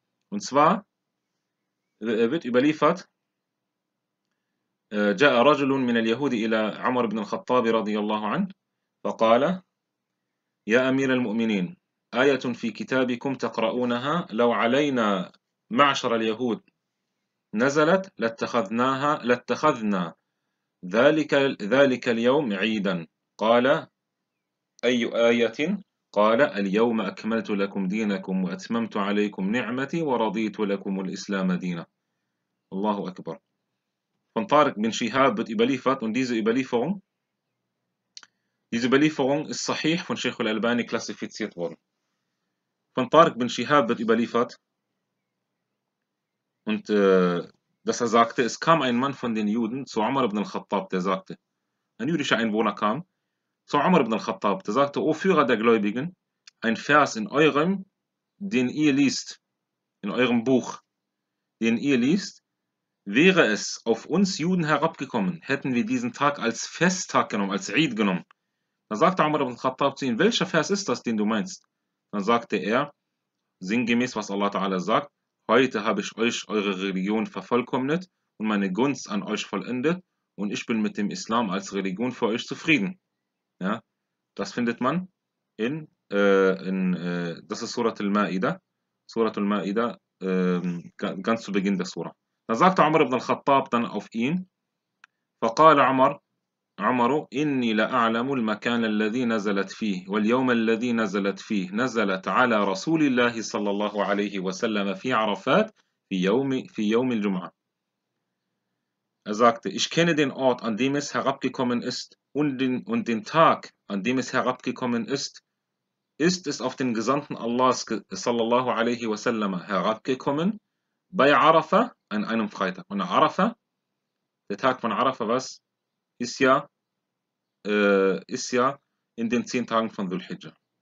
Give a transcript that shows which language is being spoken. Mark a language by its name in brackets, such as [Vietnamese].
[German] Und zwar wird überliefert, [Arabic] جَاءَ رَجُلٌ مِنَ الْيَهُودِ إِلَى عَمَرَ بْنِ الْخَطَّابِ رَضِيَ اللَّهُ عَنْهُ فَقَالَ يَا أَمِيرَ الْمُؤْمِنِينَ آية في كتابكم تقرؤونها لو علينا معشر اليهود نزلت لاتخذنا ذلك اليوم عيدا. قال أي آية؟ قال اليوم أكملت لكم دينكم وأتممت عليكم نعمتي ورضيت لكم الإسلام دينا. الله أكبر. [German] Von Tariq bin Shihab wird überliefert und diese Überlieferung ist sahih von Sheikh al-Albani klassifiziert worden. Von Tariq bin Shihab wird überliefert, und dass er sagte, es kam ein Mann von den Juden zu Umar ibn al-Khattab, der sagte, ein jüdischer Einwohner kam zu Umar ibn al-Khattab, der sagte, O Führer der Gläubigen, ein Vers in eurem, den ihr liest, in eurem Buch, den ihr liest, wäre es auf uns Juden herabgekommen, hätten wir diesen Tag als Festtag genommen, als Eid genommen. Da sagte Umar ibn al-Khattab zu ihm, welcher Vers ist das, den du meinst? Dann sagte er, sinngemäß, was Allah Ta'ala sagt, heute habe ich euch eure Religion vervollkommnet und meine Gunst an euch vollendet und ich bin mit dem Islam als Religion für euch zufrieden. Ja, das findet man das ist Surat al-Ma'idah, ganz zu Beginn der Surah. Dann sagte Umar ibn al-Khattab dann auf ihn, [Arabic] فقال Umar, عمرو إني لأعلم المكان الذي نزلت فيه واليوم الذي نزلت فيه نزلت على رسول الله صلى الله عليه وسلم في عرفات في يوم الجمعة. [German] Er sagte, ich kenne den Ort, an dem es herabgekommen ist, und den Tag, an dem es herabgekommen ist, ist es auf den Gesandten Allahs [Arabic] صلى الله عليه وسلم [German] herabgekommen bei Arafa an einem Freitag. Und Arafa, der Tag von Arafa, was? Ist ja in den 10 Tagen von Dhul-Hijjah.